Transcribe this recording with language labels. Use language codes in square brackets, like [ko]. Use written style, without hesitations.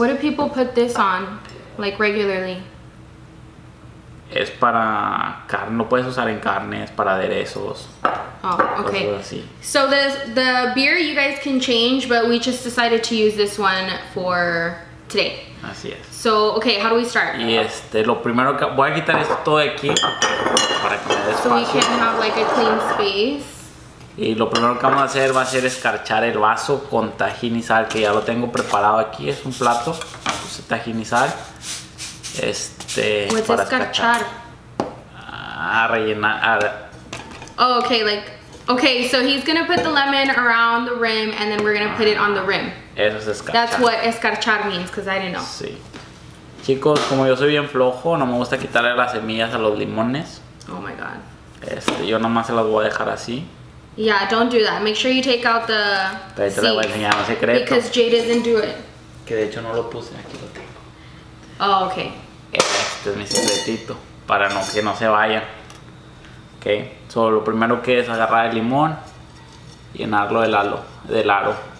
[en] What do people put this on, like, regularly? [es] Es para carne, no puedes usar en carne, es para aderezos. [en] Oh, okay. So the beer you guys can change, but we just decided to use this one for today. [es] Así es. [en] So, okay, how do we start? [es] Y lo primero que voy a quitar esto de aquí para que me dé espacio. [en] So we can have like a clean space. [es] Y lo primero que vamos a hacer va a ser escarchar el vaso con tajín y sal, que ya lo tengo preparado aquí. Es un plato, puse tajín y sal. ¿Qué es escarchar? A rellenar. [en] Oh, okay, like. Okay, so he's gonna put the lemon around the rim and then we're gonna put it on the rim. [es] Eso es escarchar. [en] That's what escarchar means, because I didn't know. [es] Sí. Chicos, como yo soy bien flojo, no me gusta quitarle las semillas a los limones. [en] Oh my god. [es] Yo nomás se las voy a dejar así. [en] Yeah, don't do that. Make sure you take out the seed. Because Jay didn't do it. [es] Que de hecho no lo puse, aquí lo tengo. [en] Oh, okay. [es] Este es mi secretito, para no, que no se vaya. [en] Okay, so [es] lo primero que es agarrar el limón, llenarlo del aro.